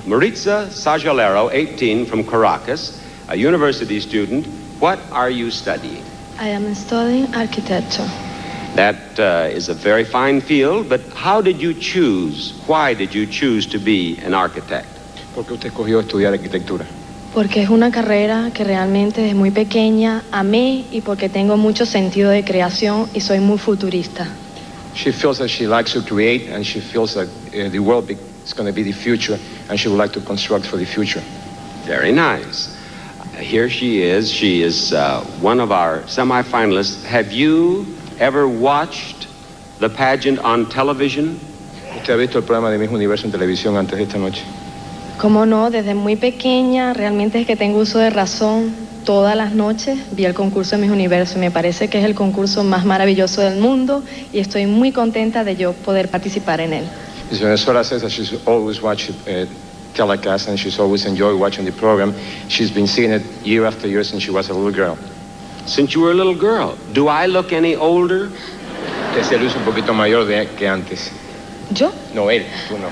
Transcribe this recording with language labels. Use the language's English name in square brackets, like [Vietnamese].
[English] Maritza Sayalero, 18, from Caracas, a university student. What are you studying? I am studying architecture. That is a very fine field, but how did you choose, why did you choose to be an architect? [Spanish] ¿Por qué usted escogió estudiar arquitectura? Porque es una carrera que realmente desde muy pequeña amé y porque tengo mucho sentido de creación y soy muy futurista. [English] She feels that she likes to create and she feels that the world is going to be the future and she would like to construct for the future. Very nice. Here she is. She is one of our semi-finalists. Have you ever watched the pageant on television? [Spanish] ¿Usted ha visto el programa de Miss Universo en televisión antes de esta noche? Cómo no, desde muy pequeña, realmente es que tengo uso de razón. Todas las noches vi el concurso de Miss Universo. Me parece que es el concurso más maravilloso del mundo y estoy muy contenta de yo poder participar en él. [English] Miss Venezuela says that she's always watched telecast and she's always enjoyed watching the program. She's been seeing it year after year since she was a little girl. Since you were a little girl, do I look any older? [Spanish] Que se luce un poquito mayor de que antes. ¿Yo? No, él, tú no.